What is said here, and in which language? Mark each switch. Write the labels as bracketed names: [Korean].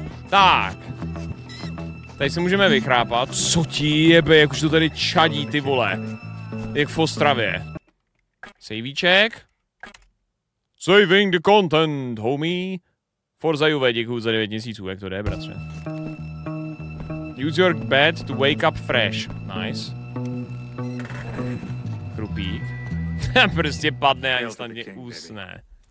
[Czech] Tak. Tady se můžeme vychrápat. Co ti jebe, jak už to tady čadí, ty vole. Jak v Ostravě. Sejvíček. [English] Saving the content, homie. [Czech] Forza Juve, děkuju za 9 měsíců, jak to jde, bratře. [English] Use your bed to wake up fresh. Nice. [Czech] Krupík. Prostě padne a instantně usne.